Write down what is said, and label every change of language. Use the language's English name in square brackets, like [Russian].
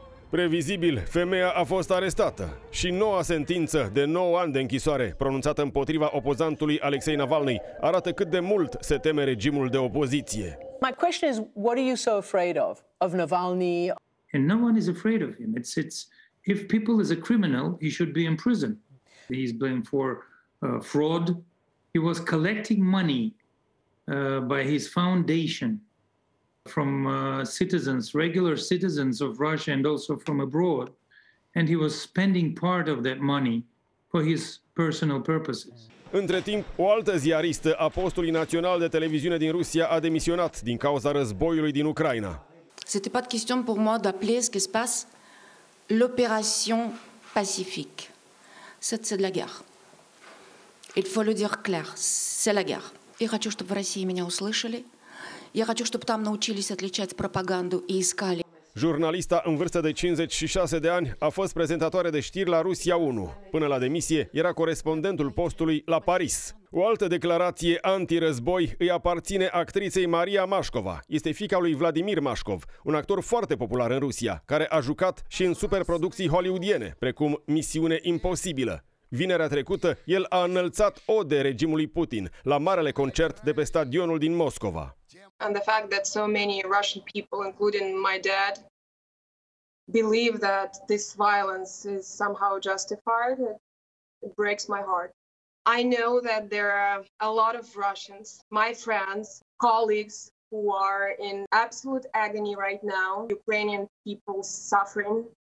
[Romanian] Previzibil, femeia a fost arestată și noua sentință de 9 ani de închisoare pronunțată împotriva opozantului Alexei Navalny arată cât de mult se teme regimul de opoziție. [English] My question is, what are you so afraid of? Of Navalny? And no one is afraid of him. It's if people is a criminal, he should be in prison. He's blamed for fraud. He was collecting money by his foundation from citizens, regular citizens of Russia and also from abroad. And he was spending part of that money for his personal purposes. [Romanian] Între timp, o altă ziaristă a postului național de televiziune din Rusia a demisionat din cauza războiului din Ucraina. [French] C'était pas de question pour moi d'appeler ce qui se passe l'opération pacifique. C'est de la guerre. Il faut le dire clair, c'est la guerre. [Russian] Я хочу, чтобы в России меня услышали. Я хочу, чтобы там научились отличать пропаганду и искали. [Romanian] Jurnalista în vârstă de 56 de ani a fost prezentatoare de știri la Rusia 1. Până la demisie, era corespondentul postului la Paris. O altă declarație anti-război îi aparține actriței Maria Mașcova. Este fiica lui Vladimir Mașcov, un actor foarte popular în Rusia, care a jucat și în superproducții hollywoodiene, precum Misiune Imposibilă. Vinerea trecută, el a înălțat ode regimului Putin la marele concert de pe stadionul din Moscova. [English] And the fact that so many Russian people, including my dad, believe that this violence is somehow justified, it breaks my heart. I know that there are a lot of Russians, my friends, colleagues, who are in absolute agony right now, Ukrainian people suffering.